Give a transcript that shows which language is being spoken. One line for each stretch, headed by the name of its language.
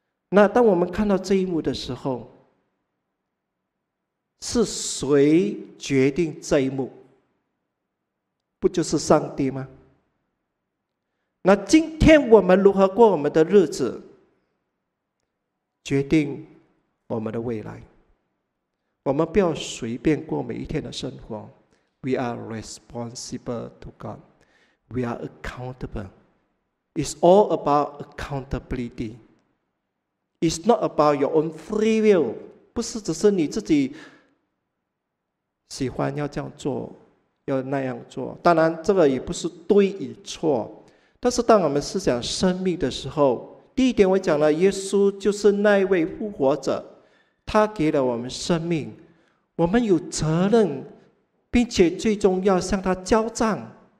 Chinese: 那当我们看到这一幕的时候，是谁决定这一幕？不就是上帝吗？那今天我们如何过我们的日子，决定我们的未来。我们不要随便过每一天的生活。
English: We are responsible to God. We are accountable. It's all about accountability. It's not about your own free will.
Chinese: 不是只是你自己喜欢要这样做，要那样做。当然，这个也不是对与错。但是当我们思想生命的时候，第一点我讲了，耶稣就是那位复活者，他给了我们生命，我们有责任，并且最终要向他交账。